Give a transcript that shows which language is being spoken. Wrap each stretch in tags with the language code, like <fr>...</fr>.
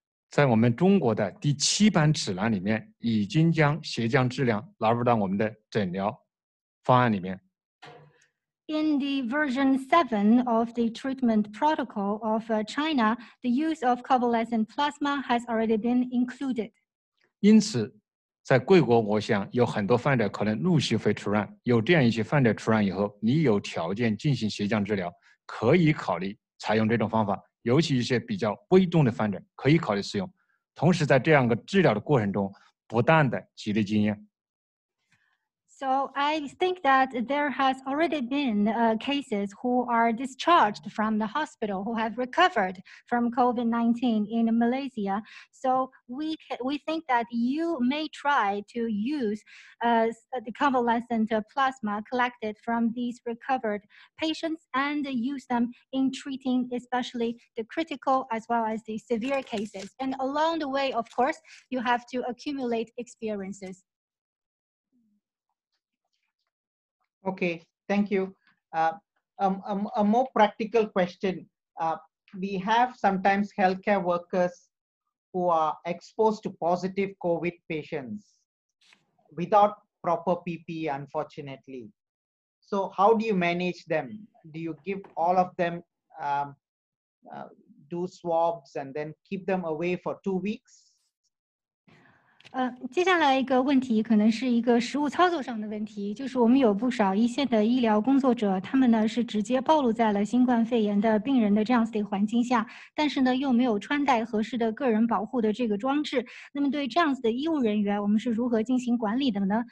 <zh>在我们中国的第七版指南里面，已经将斜降治疗纳入到我们的诊疗方案里面。</zh> <en>In the version 7 of the treatment protocol of China, the use of convalescent plasma has already been included.</en> <zh>因此，在贵国，我想有很多患者可能陆续会出院。有这样一些患者出院以后，你有条件进行斜降治疗，可以考虑采用这种方法。尤其一些比较危重的患者可以考虑使用，同时在这样个治疗的过程中，不断的积累经验。</zh> <en>So I think that there has already been cases who are discharged from the hospital who have recovered from COVID-19 in Malaysia. So we think that you may try to use the convalescent plasma collected from these recovered patients and use them in treating especially the critical as well as the severe cases. And along the way, of course, you have to accumulate experiences. Okay, thank you. A more practical question. We have sometimes healthcare workers who are exposed to positive COVID patients without proper PPE, unfortunately. So how do you manage them? Do you give all of them do swabs and then keep them away for 2 weeks?</en> <zh>接下来一个问题可能是一个实务操作上的问题，就是我们有不少一线的医疗工作者，他们呢是直接暴露在了新冠肺炎的病人的这样子的环境下，但是呢又没有穿戴合适的个人保护的这个装置。那么对这样子的医务人员，我们是如何进行管理的呢？</zh>